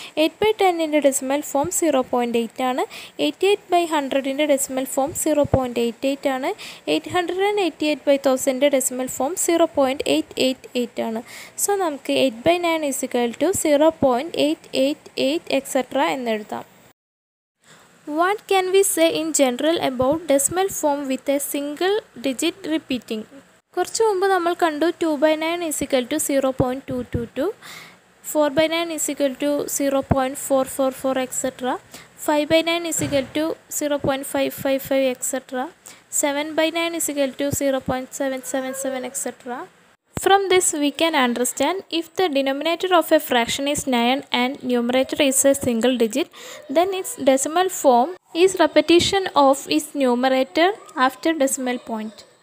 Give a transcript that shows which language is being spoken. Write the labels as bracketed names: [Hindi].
[Malayalam] 8/10 decimal form 0.8 ആണ്. 88/100 decimal form 0.88 ആണ്. 888/1000 decimal form 0.888 ആണ്. സോ നമുക്ക് 8/9 ഈസ് ഇക്വൽ ടു 0.888 എക്സെട്ര എന്നെഴുതാം. [English] What can we say in general about decimal form with a single digit repeating? [Malayalam] കുറച്ച് മുമ്പ് നമ്മൾ കണ്ടു 2/9 is equal to 0.222, 4/9 is equal to 0.444 etcetera, 5/9 is equal to 0.555 etcetera, 7/9 is equal to 0.777 etcetera. [English] From this we can understand if the denominator of a fraction is 9 and numerator is a single digit, then its decimal form is repetition of its numerator after decimal point.